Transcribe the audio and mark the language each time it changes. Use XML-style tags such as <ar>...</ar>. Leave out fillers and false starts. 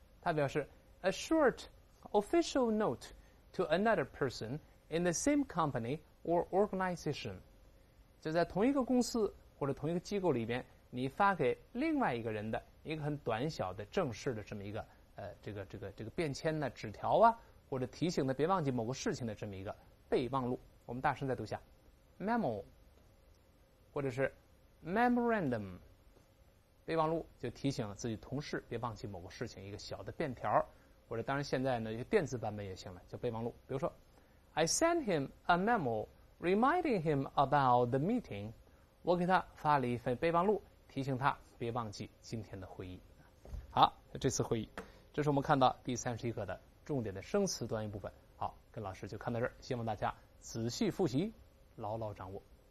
<zh>它表示</zh> <en>a short official note to another person in the same company or organization，</en> <zh>就在同一个公司或者同一个机构里边，你发给另外一个人的一个很短小的正式的这么一个这个便签呢、纸条啊，或者提醒的别忘记某个事情的这么一个备忘录。我们大声再读一下 ，memo， 或者是 memorandum。备忘录就提醒自己同事别忘记某个事情，一个小的便条，或者当然现在呢，一个电子版本也行了，叫备忘录。比如说</zh> <en>，I sent him a memo reminding him about the meeting。</en> <zh>我给他发了一份备忘录，提醒他别忘记今天的会议。好，这次会议，这是我们看到第31课的重点的生词短语部分。好，跟老师就看到这儿，希望大家仔细复习，牢牢掌握。</zh>